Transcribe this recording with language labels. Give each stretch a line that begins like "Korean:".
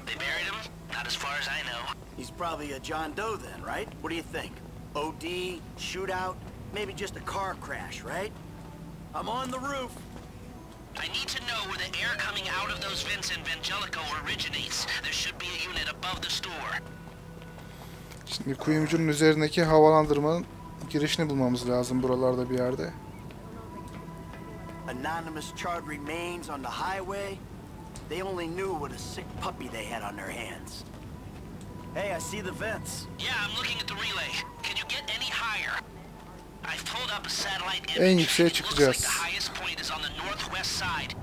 English: They buried him? Not as far as I know. He's probably a John Doe then, right? What do you think? OD? Shootout? Maybe just a car crash, right? I'm on the roof. I need to know where the air coming out of those vents in Vangelico originates. There should be a unit above the store.
Turkish: Şimdi kuyumcunun üzerindeki havalandırmanın girişini bulmamız lazım buralarda bir yerde.
English: Anonymous charred remains on the highway. They only knew what a sick puppy they had on their hands. Hey, I see the vents. Yeah, I'm looking at the relay. Can you get any higher? I've pulled up a satellite
Turkish: image. En yükseğe çıkacağız.
English: The highest point is on the northwest side.